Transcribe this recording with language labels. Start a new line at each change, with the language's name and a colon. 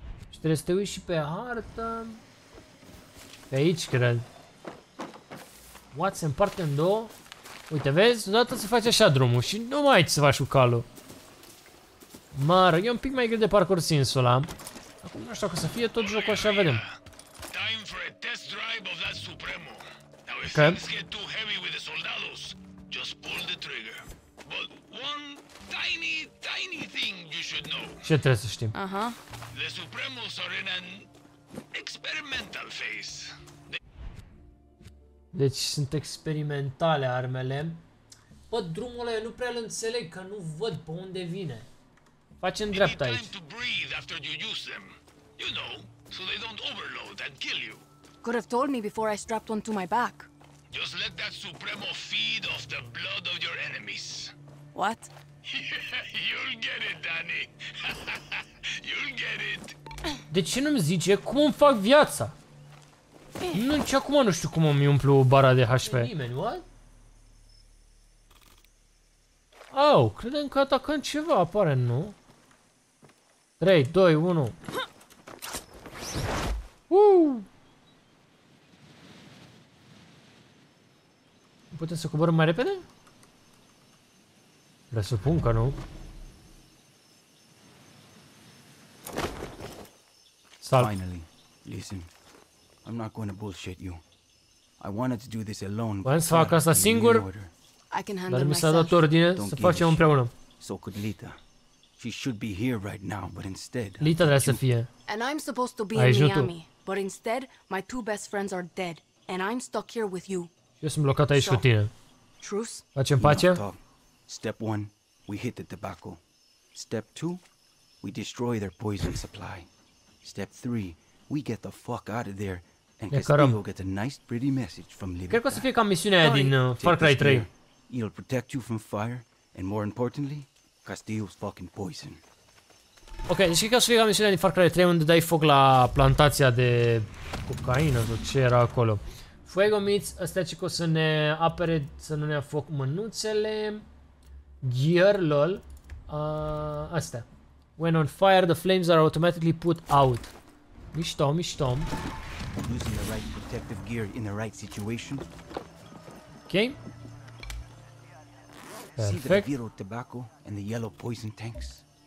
Romanian: Trebuie să te uiți și pe hartă. Pe aici, cred. What, se împarte în două? Uite, vezi? Odată se face așa drumul și nu mai ai ce să faci cu calul. Mară, e un pic mai greu de parcurs insula. Acum nu știu că să fie tot jocul așa, vedem.
English: Time for a test drive of that Supremo. Now, if things get too heavy with the soldados, just pull the trigger. But one tiny, tiny thing you should know.
Romanian: Ce trebuie să știm? Aha.
English: The Supremos are in an experimental phase.
Romanian: Deci sunt experimentale armele. Bă, drumul ăla nu prea îl înțeleg, că nu văd pe unde vine. Facem dreapta aici.
English: You need time to breathe after you use them. You know, so they don't overload and kill you. Could have told me before I strapped one to my back. Just let that Supremo feed off the blood of your enemies. What? You'll get it, Danny. You'll get it.
Romanian: De ce nu-mi zice cum îmi fac viața? Nu, nici acum nu știu cum îmi umplu bara de HP. De nimeni, what? Au, oh, credem că atacăm ceva, apare, nu? 3, 2, 1. Putem să coborăm mai repede? Presupun că nu. Salt.
English: Finally, listen. I'm not going to bullshit you. I wanted to do this alone.
Romanian: Vreau să fac asta singur.
English: I can handle myself.
Romanian: Dar mi s-a dat ordine să facem împreună.
English: So could Lita. She should be here right now, but instead.
Romanian: Lita trebuie să fie.
English: And I'm supposed to be in Miami, but instead my two best friends are dead and I'm stuck here with you.
Romanian: Eu sunt blocat aici cu tine.
English: Truce?
Romanian: Facem pace?
English: Step 1, we hit the tobacco. Step 2, we destroy their poison supply. Step 3, we get the fuck out of there and Castillo gets a nice pretty message from Libby.
Romanian: Cred că o să fie ca misiunea aia din Far Cry 3.
English: He'll protect you from fire and more importantly, Castillo's fucking poison.
Romanian: Ok, deci cred că o să fie ca misiunea din Far Cry 3 unde dai foc la plantația de cocaină sau ce era acolo. Fuego Meats, ăstea ce o să ne apere să nu ne ia foc mânuțele. Gear, lol. Astea.
English: When on fire, the flames are automatically put out.
Romanian: Mișto, mișto.
English: Using the right protective gear in the right situation. Ok. Perfect. See the yellow tobacco and the yellow poison tanks?